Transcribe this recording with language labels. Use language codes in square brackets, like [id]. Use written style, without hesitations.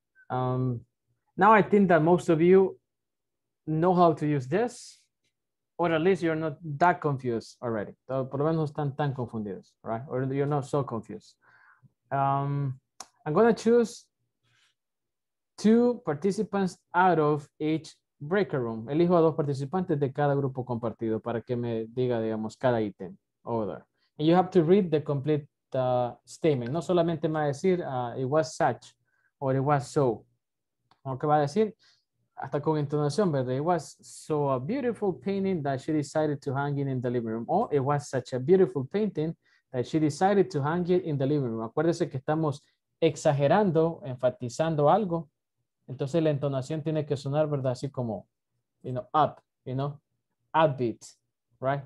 [en] Now I think that most of you know how to use this, or at least you're not that confused already. [es] Por lo menos no están tan confundidos, right? [en] Or you're not so confused. I'm going to choose two participants out of each breaker room. [es] Elijo a dos participantes de cada grupo compartido para que me diga, digamos, cada ítem. Over. [en] And you have to read the complete statement. [es] No solamente me va a decir, [en] it was such, or it was so. [es] O que va a decir, hasta con intonación, ¿verdad? [en] It was so a beautiful painting that she decided to hang it in the living room. O it was such a beautiful painting that she decided to hang it in the living room. [es] Acuérdese que estamos exagerando, enfatizando algo. Entonces la entonación tiene que sonar, ¿verdad? Así como, [en] you know, up, you know, upbeat, right?